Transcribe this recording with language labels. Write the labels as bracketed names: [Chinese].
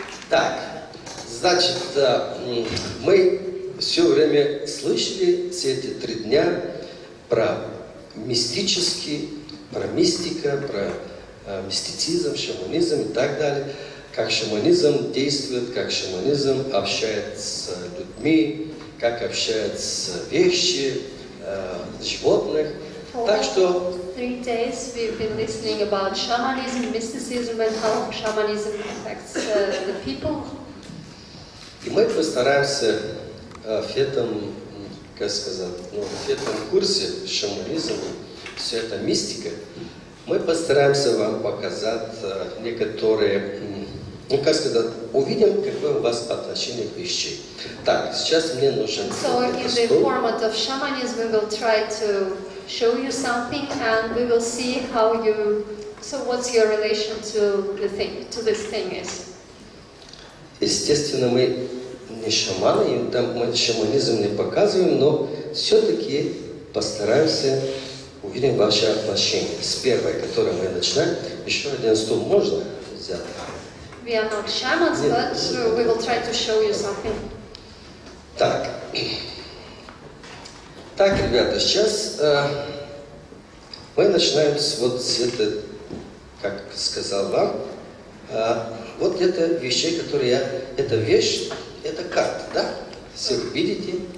[Russian] Значит, мы все время слышали все эти три дня про мистические, про мистика, про мистицизм, шаманизм и так далее. Как шаманизм действует, как шаманизм общается с людьми, как общается с вещи, животных. Так что... [English] Three days we've been listening about shamanism, mysticism and how shamanism affects the people. [Russian] И мы постараемся в этом, как сказать, ну, в этом курсе шаманизма, все это мистика, мы постараемся вам показать некоторые, ну как сказать, увидим, какое у вас отношение к вещи. Так, сейчас мне нужен. [English] So in the format of shamanism, we will try to show you something, and we will see how you. So what's your relation to the thing, to this thing is? [Russian] Естественно, мы не шаманы, и там мы шаманизм не показываем, но все-таки постараемся увидеть ваше отношение. С первой, которую мы начинаем, еще один стул можно взять. [English] We are not shamans, but we will try to show you something. [Russian] Так, ребята, сейчас мы начинаем с вот с этой, как сказал вам, вот это вещи, которые я, это вещь. Это карта, да? Все вы видите?